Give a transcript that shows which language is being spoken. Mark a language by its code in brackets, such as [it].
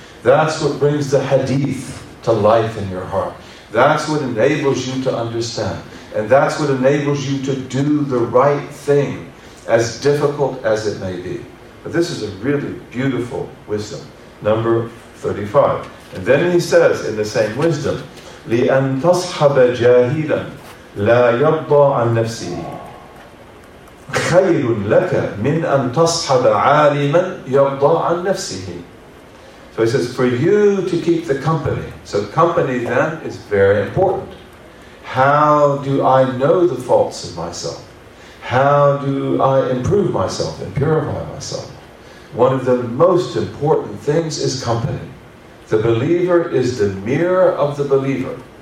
[en] That's what brings the Hadith to life in your heart. That's what enables you to understand. And that's what enables you to do the right thing, as difficult as it may be. But this is a really beautiful wisdom. Number 35. And then he says in the same wisdom, [ar] لِأَن تَصْحَبَ جَاهِلًا لَا يَرْضَى عَن نَفْسِهِ خَيْرٌ لَكَ مِنْ أَن تَصْحَبَ عَالِمًا يَرْضَى عَن نَفْسِهِ. [en] So he says, for you to keep the company. So company then is very important. How do I know the faults of myself? How do I improve myself and purify myself? One of the most important things is company. The believer is the mirror of the believer.